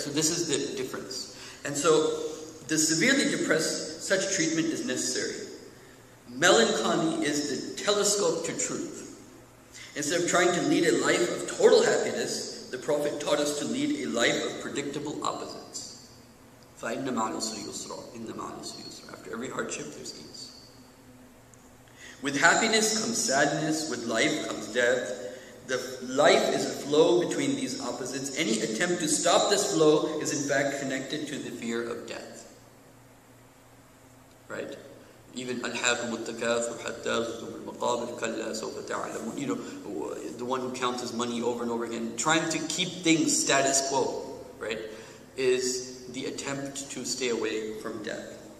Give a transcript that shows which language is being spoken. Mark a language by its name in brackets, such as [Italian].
[English] So this is the difference. And so, the severely depressed, such treatment is necessary. Melancholy is the telescope to truth. Instead of trying to lead a life of total happiness, the Prophet taught us to lead a life of predictable opposites. [Arabic] فَإِنَّ مَعَ الْعُسْرِ يُسْرًا إِنَّ مَعَ الْعُسْرِ يُسْرًا [English] After every hardship, there's ease. With happiness comes sadness, with life comes death. The life is a flow between these opposites. Any attempt to stop this flow is in fact connected to the fear of death. Right? Even [Arabic] أَلْحَاكُمُ التَّكَاثُ حَتَّى زُرْتُمُ الْمَقَابِرَ كَلَّا سَوْفَ تَعْلَمُونَ [English] You know, the one who counts his money over and over again, trying to keep things status quo, right, is the attempt to stay away from death.